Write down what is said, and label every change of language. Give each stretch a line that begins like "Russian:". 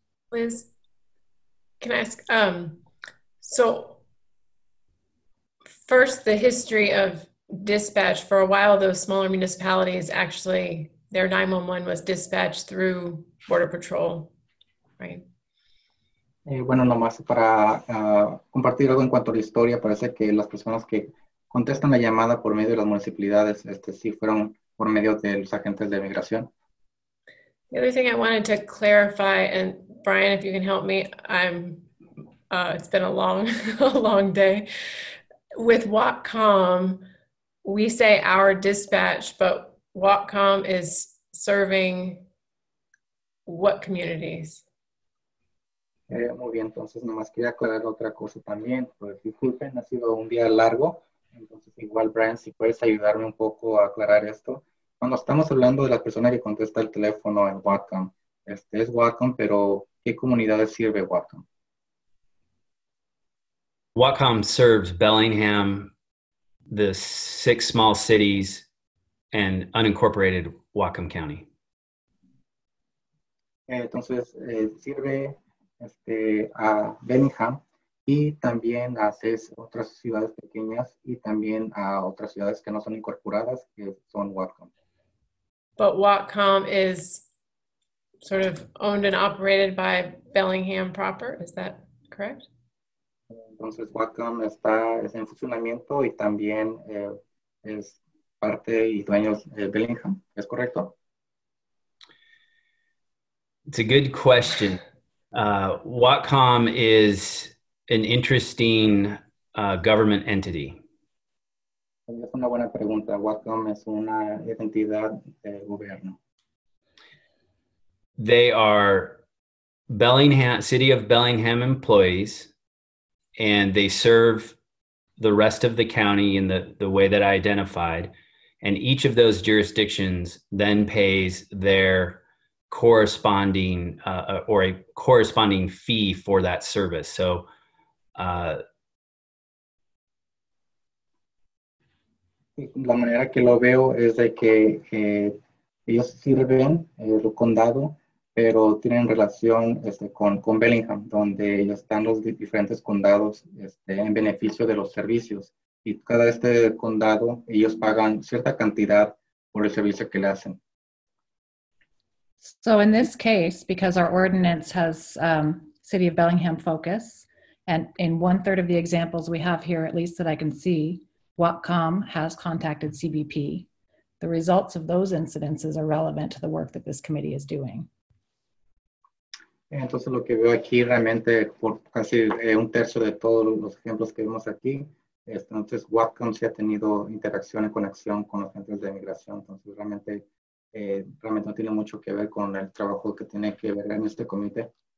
English: Liz, can I ask, so, first, the history of dispatch. For a while, those smaller municipalities, actually, their 911 was dispatched through Border Patrol, right?
Spanish: Bueno, nomás para compartir algo en cuanto a la historia, parece que las personas que contestan la llamada por medio de las municipalidades, sí fueron por medio de los agentes de migración.
English: The other thing I wanted to clarify, and Brian, if you can help me, it's been a long day. With WACOM, we say our dispatch, but WACOM is serving what communities?
Spanish: Muy bien, entonces nomás quería aclarar otra cosa también. Pues disculpen, ha sido un día largo. Entonces igual, Brian, si puedes ayudarme un poco a aclarar esto. Cuando estamos hablando de la persona que contesta el teléfono en Whatcom, este es Whatcom, pero ¿qué comunidades sirve Whatcom?
English: Whatcom serves Bellingham, the six small cities, and unincorporated Whatcom County.
Spanish: Entonces sirve a Bellingham y también a seis otras ciudades pequeñas y también a otras ciudades que no son incorporadas que son Whatcom.
English: But Whatcom is sort of owned and operated by Bellingham proper, is that correct?
Spanish: Entonces Whatcom está en funcionamiento y también es parte y dueño de Bellingham, ¿es correcto?
English: It's a good question. Whatcom is an interesting government entity.
Spanish: Es una buena pregunta. Whatcom es una entidad de gobierno.
English: They are Bellingham, City of Bellingham employees, and they serve the rest of the county in the way that I identified. And each of those jurisdictions then pays their corresponding or a corresponding fee for that service. So
Spanish: la manera que lo veo es de que ellos sirven el condado, pero tienen relación con Bellingham, donde están los diferentes condados en beneficio de los servicios. Y cada condado, ellos pagan cierta cantidad por el servicio que le hacen.
English: So in this case, because our ordinance has City of Bellingham focus, and in one third of the examples we have here, at least that I can see, Whatcom has contacted CBP. The results of those incidences are relevant to the work that this committee is doing.
Spanish: Entonces lo que veo aquí realmente por casi un tercio de todos los ejemplos que vemos aquí, entonces Whatcom sí ha tenido interacción y conexión con los agentes de migración. Entonces realmente realmente no tiene mucho que ver con el trabajo que tiene que ver en este comité.